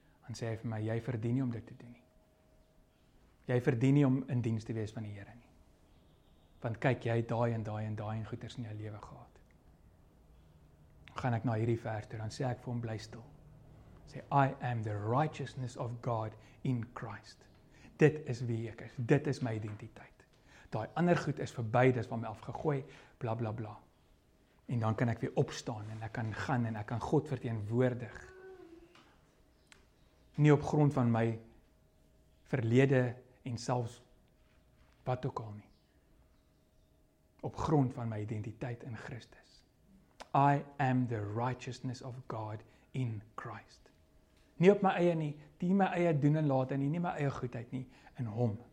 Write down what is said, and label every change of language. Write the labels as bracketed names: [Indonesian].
[Afrikaans] En sê hy vir my, jy verdien nie om dit te doen nie. Jy verdien nie om in diens te wees van die Here nie. Want kyk, jy het daai en goeders in jou lewe gehad. Gaan ek na hierdie vers toe, dan sê ek vir hom, bly stil. [English] Sê, I am the righteousness of God in Christ. [Afrikaans] Dit is wie ek is. Dit is my identiteit. Daai ander goed is verby, dis van my afgegooi, bla bla bla. En dan kan ek weer opstaan en ek kan gaan en ek kan God verteenwoordig. Nie op grond van my verlede en selfs wat ook al nie. Op grond van my identiteit in Christus. [English] I am the righteousness of God in Christ. [Afrikaans] Nie op my eie nie, nie my eie doen en laat nie, nie my eie goedheid nie, in hom.